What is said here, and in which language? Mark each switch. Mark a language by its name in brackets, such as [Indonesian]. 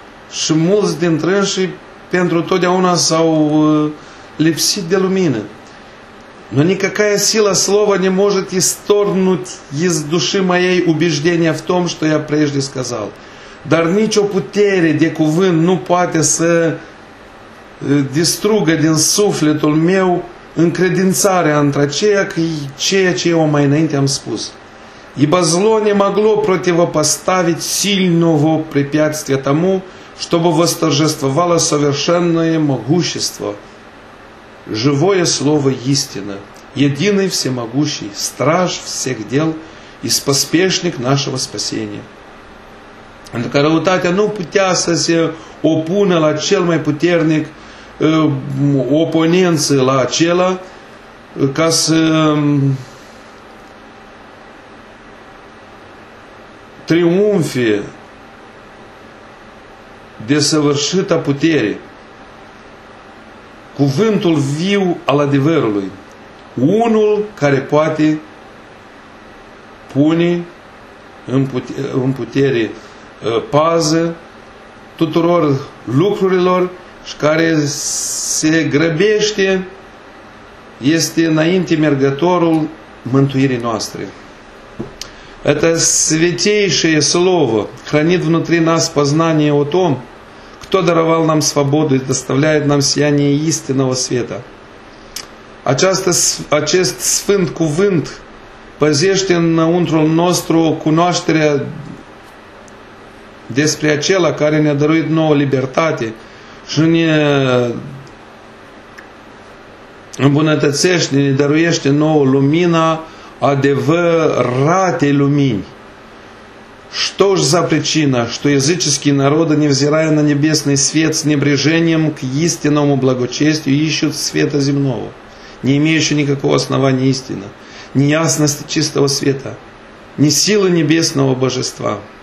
[Romanian] Și mulți dintre ei pentru totdeauna s-au lipsit de lumină. [Russian] Но никакая сила слова не может исторгнуть из души моей убеждения в том, что я прежде сказал. [Romanian] Dar nicio putere de cuvânt nu poate să distrugă din sufletul meu încredințarea într-aceea ceea ce eu mai înainte am spus. [Russian] Ибо зло не могло противопоставить сильного препятствия тому, чтобы восторжествовало совершенное могущество, живое слово истины, единый всемогущий, страж всех дел и споспешник нашего спасения. [Romanian] Dacă răutatea nu putea să se opună la cel mai puternic oponență la acela, ca să triumfe desăvârșită putere, cuvântul viu al adevărului, unul care poate pune în putere pază tuturor lucrurilor și care se grăbește, este înainte mergătorul mântuirii noastre. [Russian] Это святейшее слово хранит внутри нас познание о том, Кто даровал нам свободу и доставляет нам сияние истинного света? [Romanian] Acest sfânt cuvânt păzește înăuntru nostru cunoașterea despre acela care ne-a dăruit nouă libertate și ne îmbunătățește, ne dăruiește nouă lumina adevăratei lumini. [Russian] Что же за причина, что языческие народы, невзирая на небесный свет, с небрежением к истинному благочестию ищут света земного, не имеющего никакого основания истины, ни ясности чистого света, ни силы небесного божества?